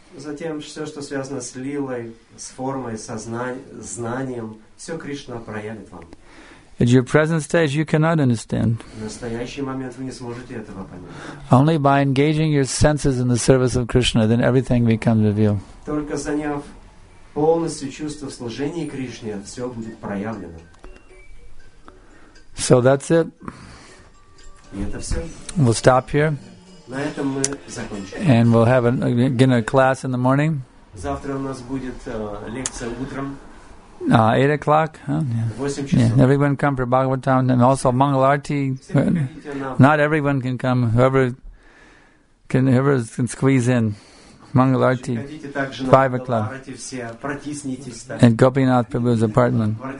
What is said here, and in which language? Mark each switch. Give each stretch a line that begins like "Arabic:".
Russian: Затем все, что связано с лилой, с формой, со знанием, все Кришна проявит вам.
English: At your present stage you cannot understand.
Russian: В настоящий момент вы не сможете этого понять.
English: Only by engaging your senses in the service of Krishna, then everything becomes revealed.
Russian: Только заняв полностью чувство в служении Кришне, все будет проявлено.
English: So that's it.
Russian: И это все.
English: We'll stop here. And we'll have again a class in the morning.
Russian: Завтра у нас будет лекция утром.
English: 8:00. Yeah. Everyone come for Bhagavatam and also Mangalarti. Not everyone can come. Whoever can squeeze in Mangalarti. 5:00. And Gopinath Prabhu's apartment.